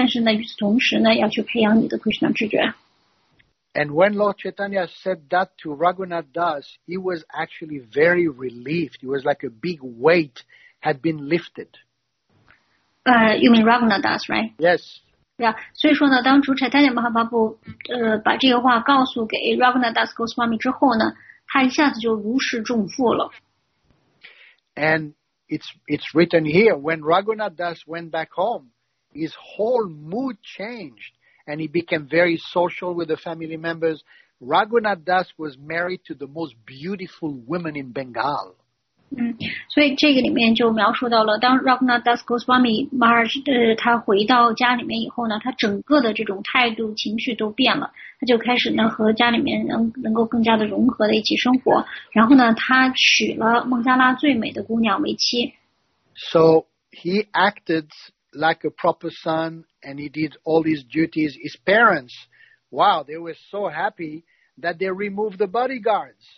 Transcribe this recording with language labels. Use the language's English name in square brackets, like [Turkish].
[Chinese] 所以说呢,就留在家里面去照顾孩子,养育孩子,照顾家人,照顾你的丈夫,该做什么做什么,但是呢,同时呢,要去培养你的Krishna知觉。 [English] And when Lord Chaitanya said that to Raghunath Das, he was actually very relieved. It was like a big weight had been lifted. You mean Raghunath Das, right? Yes. Yeah. [Chinese] 所以说呢，当主柴达尼马哈巴布把这个话告诉给 Raghunath Das Goswami 之后呢，他一下子就如释重负了。 [English] And it's written here when Raghunath Das went back home, his whole mood changed, and he became very social with the family members. Raghunath Das was married to the most beautiful woman in Bengal. [Chinese] 所以这个里面就描述到了，当 Raghunath Das Goswami Maharaj 他回到家里面以后呢，他整个的这种态度、情绪都变了，他就开始呢和家里面能够更加的融合的一起生活。然后呢，他娶了孟加拉最美的姑娘为妻。 [English] So he acted like a proper son, and he did all his duties. His parents, wow, they were so happy that they removed the bodyguards.